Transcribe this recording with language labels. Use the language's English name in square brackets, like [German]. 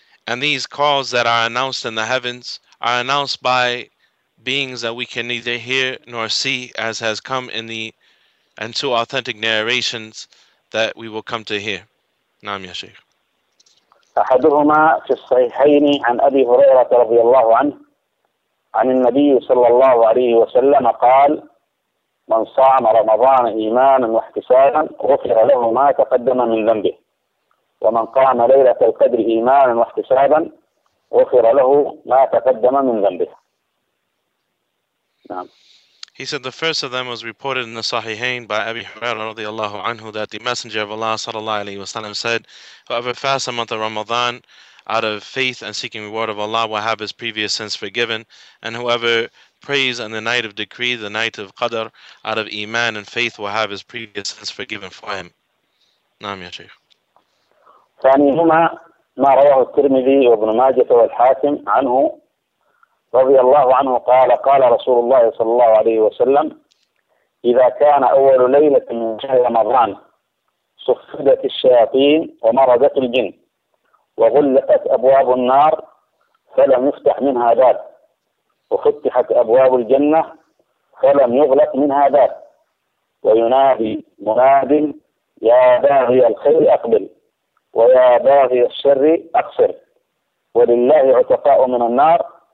[English] And these calls that are announced in the heavens are announced by beings that we can neither hear nor see, as has come in the and two authentic narrations that we will come to hear. [Arabic] Naam ya Shaykh. أحدهما في الصحيحين عن أبي هريرة رضي الله عنه عن النبي صلى الله عليه وسلم قال من صام رمضان إيمانا واحتسابا غفر له ما تقدم من ذنبه ومن قام ليلة القدر إيمانا واحتسابا غفر له ما تقدم من ذنبه. [English] He said the first of them was reported in the Sahihain by Abi Hurairah radiallahu anhu that the Messenger of Allah sallallahu alayhi wasallam said, whoever fasts a month of Ramadan out of faith and seeking reward of Allah will have his previous sins forgiven, and whoever prays on the night of decree, the night of Qadr, out of Iman and faith will have his previous sins forgiven for him. [Arabic] Naam ya Shaykh. ثانيهما ما رواه الترمذي وابن ماجه والحاكم عنه رضي الله عنه قال قال رسول الله صلى الله عليه وسلم إذا كان أول ليلة من شهر رمضان صفدت الشياطين ومرضت الجن وغلقت أبواب النار فلم يفتح منها باب وفتحت أبواب الجنة فلم يغلق منها باب وينادي مناد يا باغي الخير أقبل ويا باغي الشر أقصر ولله عتقاء من النار